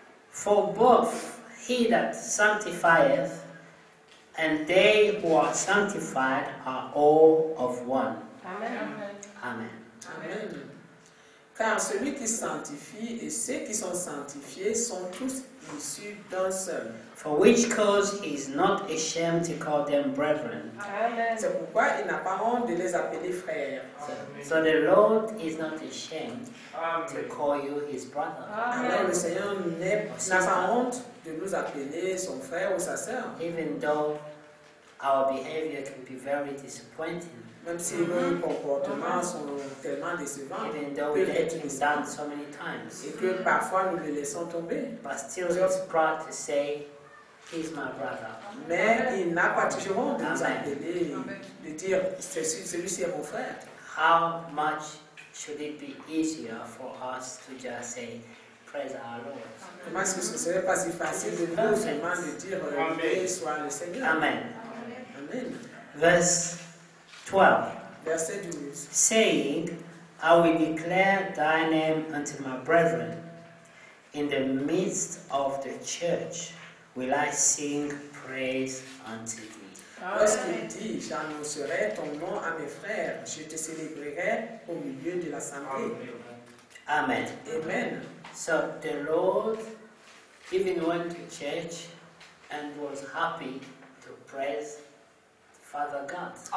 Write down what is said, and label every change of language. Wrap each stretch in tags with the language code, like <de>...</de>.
<en>For both he that sanctifieth and they who are sanctified are all of one. Amen. Amen.</en> <fr>Amen. Car celui qui sanctifie et ceux qui sont sanctifiés sont tous issus d'un seul.</fr> <en>For which cause he is not ashamed to call them brethren. Amen.</en> <fr>C'est pourquoi il n'a pas honte de les appeler frères.</fr> <en>So the Lord is not ashamed to call you his brother. Amen.</en> <fr>Alors le Seigneur n'a pas honte de nous appeler son frère ou sa sœur.</fr> <en>Even though our behavior can be very disappointing.</en> <fr>Même si nos comportements sont tellement décevants,</fr> <en>even though we let him down so many times,</en> <fr>et que parfois nous le laissons tomber,</fr> <en>but still he's proud to say, he's my brother.</en> <fr>Mais il n'a pas toujours honte de nous appeler, de dire, celui-ci est mon frère.</fr> <en>How much should it be easier for us to just say, praise our Lord?</en> <fr>Comment est-ce que ce ne serait pas si facile de nous seulement de dire, béni soit le Seigneur?</fr> <en>Amen. Amen. Verse 12.</en> <fr>Verset 12.</fr> <en>Saying, I will declare thy name unto my brethren. In the midst of the church will I sing praise unto thee.</en> <fr>Lorsqu'il dit, j'annoncerai ton nom à mes frères, je te célébrerai au milieu de l'assemblée.</fr> <en>Amen. Amen. So the Lord even went to church and was happy to praise Father God.</en>